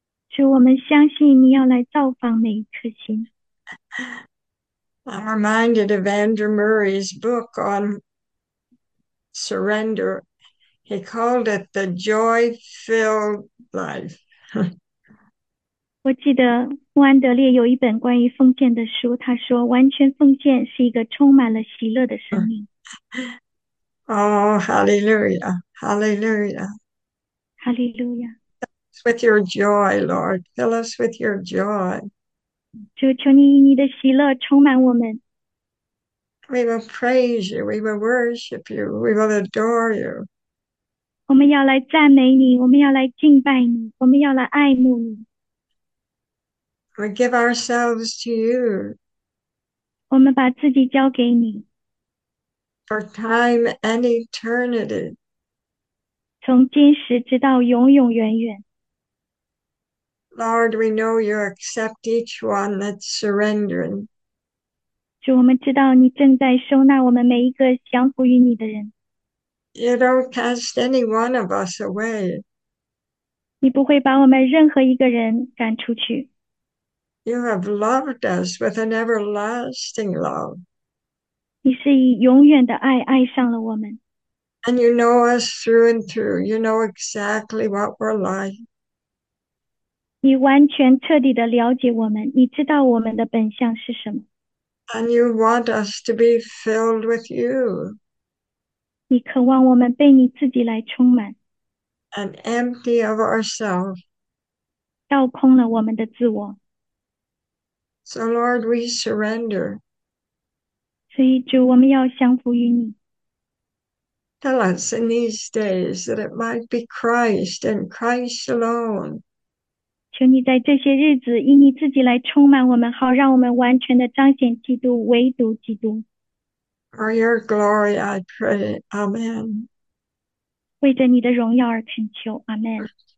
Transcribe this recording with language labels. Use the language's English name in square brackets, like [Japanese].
[Chinese] 主，我们相信你要来造访每一颗心。 [English] I'm reminded of Andrew Murray's book on surrender. He called it the joy-filled life. [Chinese] 我记得穆安德烈有一本关于奉献的书，他说：“完全奉献是一个充满了喜乐的生命。 [English] Oh, hallelujah, hallelujah. [Chinese] ”哈利路亚！ [English] Fill us with your joy, Lord. Fill us with your joy. [Chinese] 主，求你以你的喜乐充满我们。 [English] We will praise you, we will worship you, we will adore you. [Chinese] 我们要来赞美你，我们要来敬拜你，我们要来爱慕你。 [English] We give ourselves to you [Chinese] 我们把自己交给你， [English] for time and eternity. [Chinese] 从今时直到永永远远。 [English] Lord, we know you accept each one that's surrendering. [Chinese] 主，我们知道你正在收纳我们每一个降服于你的人。 [English] You don't cast any one of us away. [Chinese] 你不会把我们任何一个人赶出去。 [English] You have loved us with an everlasting love. [Chinese] 你是以永远的爱爱上了我们。 [English] And you know us through and through. You know exactly what we're like. [Chinese] 你完全彻底的了解我们，你知道我们的本相是什么。 [English] And you want us to be filled with you [Chinese] 你渴望我们被你自己来充满， [English] and empty of ourselves. [Chinese] 倒空了我们的自我。 [English] So, Lord, we surrender. [Chinese] 所以主，我们要降服于你。 [English] Tell us in these days that it might be Christ and Christ alone. [Chinese] 求你在这些日子以你自己来充满我们，好让我们完全的彰显基督，唯独基督。 [English] For your glory, I pray. Amen. [Chinese] 为着你的荣耀而恳求，阿门。